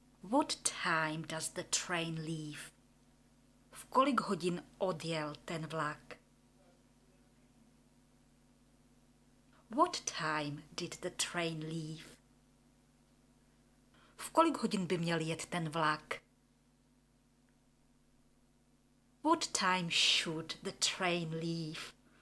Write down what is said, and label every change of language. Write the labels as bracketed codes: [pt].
[en] What time does the train leave? [cs] V kolik hodin odjel ten vlak? [en] What time did the train leave? [cs] V kolik hodin by měl jet ten vlak? [en] What time should the train leave?